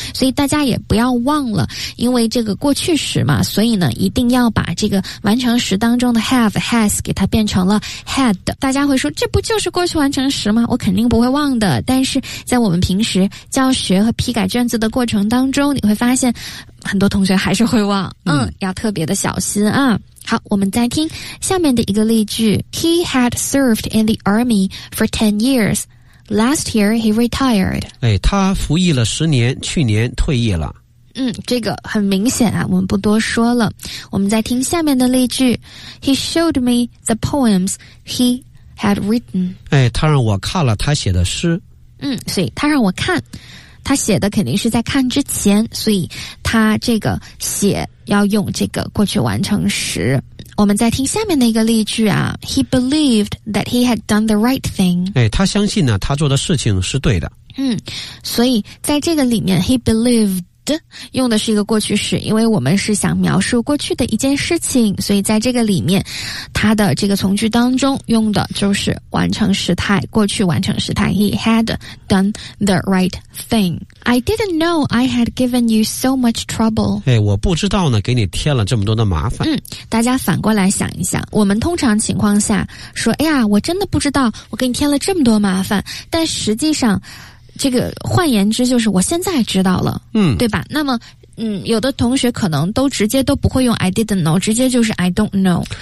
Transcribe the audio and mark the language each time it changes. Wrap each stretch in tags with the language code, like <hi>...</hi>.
<zh>所以大家也不要忘了，因为这个过去时嘛，所以呢一定要把这个完成时当中的 have has 给它变成了 had。大家会说，这不就是过去完成时吗？我肯定不会忘的。但是在我们平时教学和批改卷子的过程当中，你会发现很多同学还是会忘。要特别的小心啊。好，我们再听下面的一个例句。</zh> <en>He had served in the army for 10 years. Last year he retired.</en> <zh>哎，他服役了十年，去年退役了。嗯，这个很明显啊，我们不多说了。我们再听下面的例句。</zh> <en>He showed me the poems he had written.</en> <zh>哎，他让我看了他写的诗。嗯，所以他让我看，他写的肯定是在看之前，所以他这个写要用这个过去完成时。我们再听下面的一个例句啊。</zh> <en>He believed that he had done the right thing.</en> <zh>哎，他相信呢，他做的事情是对的。嗯，所以在这个里面</zh> <en>he believed</en> <zh>用的是一个过去式，因为我们是想描述过去的一件事情，所以在这个里面它的这个从句当中用的就是完成时态，过去完成时态。</zh> <en>He had done the right thing. I didn't know I had given you so much trouble.</en> <zh>哎，我不知道呢给你添了这么多的麻烦。嗯，大家反过来想一想，我们通常情况下说，哎呀，我真的不知道我给你添了这么多麻烦，但实际上这个换言之就是我现在知道了。嗯，对吧？那么有的同学可能都直接都不会用</zh> <en>I didn't know,</en> <zh>直接就是</zh> <en>I don't know。</en>